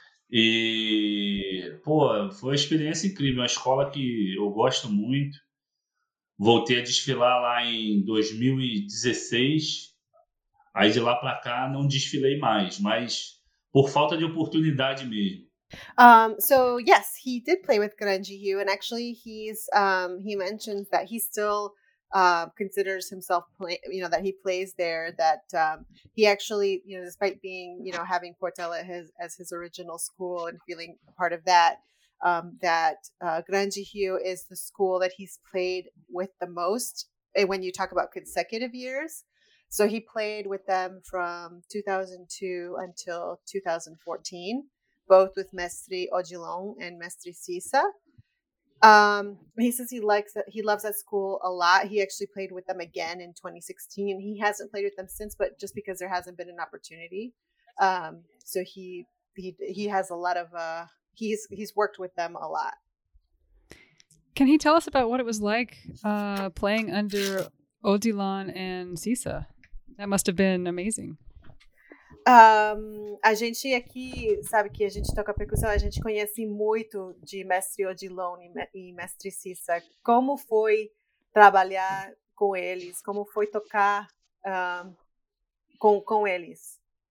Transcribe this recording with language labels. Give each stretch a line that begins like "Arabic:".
Portuguese: E, pô, foi uma experiência incrível, uma escola que eu gosto muito. Voltei a desfilar lá em 2016, aí de lá para cá não desfilei mais, mas por falta de oportunidade mesmo.
English: So yes, he did play with Grande Rio, and actually he mentioned that he still considers himself that he plays there, that he actually, despite being, having Portela as his original school and feeling part of that, that Grande Rio is the school that he's played with the most when you talk about consecutive years. So he played with them from 2002 until 2014, both with Mestre Odilon and Mestre Sisa. He says he likes that, he loves that school a lot. He actually played with them again in 2016. He hasn't played with them since, but just because there hasn't been an opportunity. So he has a lot of he's worked with them a lot. Can he tell us about what it was like playing under Odilon and Sisa? That must have been amazing.
Portuguese: A gente aqui sabe que a gente toca percussão, a gente conhece muito de Mestre Odilon e Mestre Sisa. Como foi trabalhar com eles? Como foi tocar com eles?